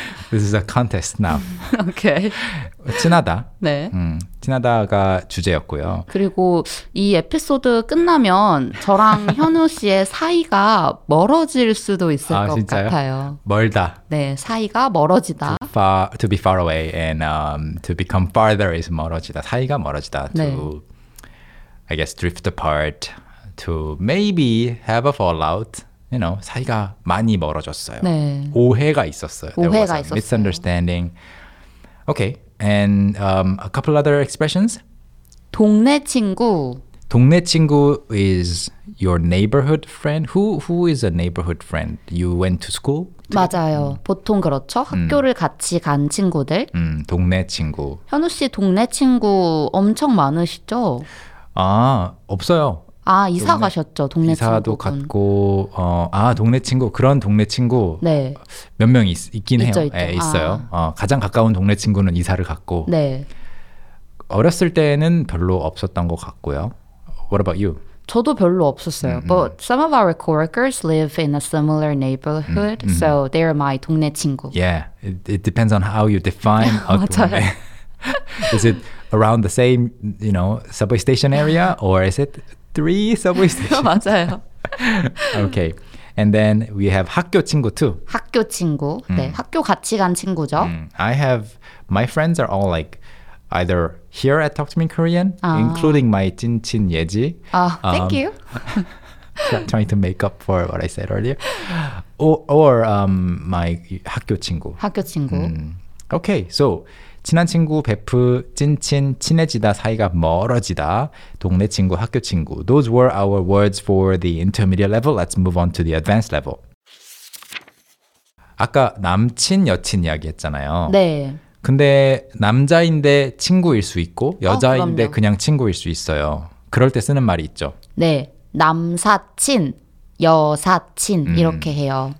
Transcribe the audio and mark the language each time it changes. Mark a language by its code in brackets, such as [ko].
[en] This is a contest now. Okay. [ko] 친하다. 네. 친하다가 주제였고요. 그리고 이 에피소드 끝나면 저랑 현우 씨의 사이가 멀어질 수도 있을 아, 것 진짜요? 같아요. 멀다. 네, 사이가 멀어지다. [en] To be far away and to become farther is 멀어지다. [ko] 사이가 멀어지다. 네. [en] To, I guess, drift apart. To maybe have a fallout. You know, [ko] 사이가 많이 멀어졌어요. 네. 오해가 있었어요. 오해가 [en] There was a [ko] 있었어요. [en] Misunderstanding. Okay. And a couple other expressions? [ko] 동네 친구. [en] 동네 친구 is your neighborhood friend. Who is a neighborhood friend? You went to school? Today? [ko] 맞아요. 보통 그렇죠. 학교를 같이 간 친구들. 동네 친구. 현우 씨 동네 친구 엄청 많으시죠? 아, 없어요. 아, 이사 동네, 가셨죠. 동네 친구. 이사도 갔고 동네 친구. 그런 동네 친구. 네. 몇 명 있긴 있죠, 해요. 있죠. 에, 있어요. 아. 가장 가까운 동네 친구는 이사를 갔고. 네. 어렸을 때는 별로 없었던 것 같고요. [en] What about you? [ko] 저도 별로 없었어요. [en] But some of our coworkers live in a similar neighborhood. So they are my 동네 친구. Yeah. It depends on how you define a [ko] 맞아요. 동네. [en] Is it around the same, you know, subway station area or is it three subway stations? [ko] 맞아요. [en] Okay. And then we have 학교 친구 too. [ko] 학교 친구. 네, 학교 같이 간 친구죠. [en] I have, my friends are all like either here at Talk to Me Korean, including my 찐친 예지. Thank you. trying to make up for what I said earlier. Or my 학교 친구. [ko] 학교 친구. Okay, so 친한 친구, 베프, 찐친, 친해지다, 사이가 멀어지다, 동네 친구, 학교 친구. [en] Those were our words for the intermediate level. Let's move on to the advanced level. [ko] 아까 남친, 여친 이야기 했잖아요. 네. 근데 남자인데 친구일 수 있고 여자인데 그냥 친구일 수 있어요. 그럴 때 쓰는 말이 있죠. 네. 남사친. 여사친 이렇게 해요.